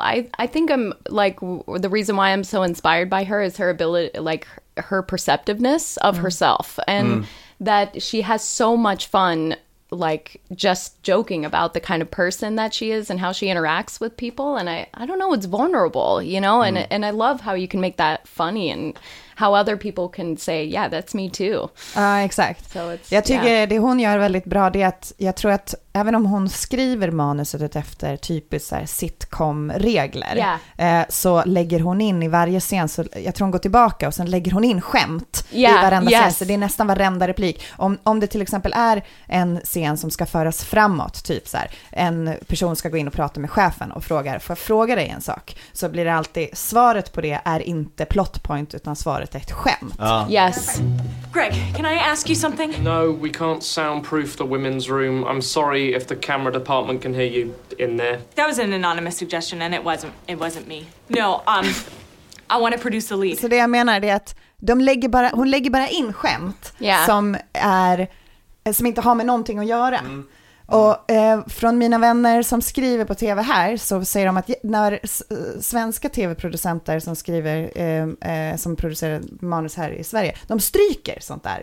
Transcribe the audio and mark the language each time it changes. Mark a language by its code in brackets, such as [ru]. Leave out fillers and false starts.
[en] I think I'm like the reason why I'm so inspired by her is her ability, like her perceptiveness of herself, and that she has so much fun, like just joking about the kind of person that she is and how she interacts with people. And I don't know, it's vulnerable, you know, and I love how you can make that funny and how other people can say, yeah, that's me too. [sv] Exakt. [en] So it's, [sv] jag tycker det hon gör väldigt bra, det är att jag tror att även om hon skriver manuset efter typiskt så här sitcom-regler, [en] yeah, [sv] så lägger hon in i varje scen, så jag tror hon går tillbaka och sen lägger hon in skämt, yeah, i varenda, yes, scen. Så det är nästan varenda replik. Om det till exempel är en scen som ska föras framåt, typ så här, en person ska gå in och prata med chefen och frågar, får jag fråga dig en sak? Så blir det alltid, svaret på det är inte plot point, utan svaret är ett skämt. [en] Yes. Greg, can I ask you something? No, we can't soundproof the women's room. I'm sorry if the camera department can hear you in there. That was an anonymous suggestion and it wasn't me. No, I want to produce the lead. [sv] Så det jag menar är att hon lägger bara in skämt, [en] yeah, [sv] som inte har med någonting att göra. Mm. Och från mina vänner som skriver på tv här, så säger de att när svenska tv-producenter som skriver som producerar manus här i Sverige, de stryker sånt där.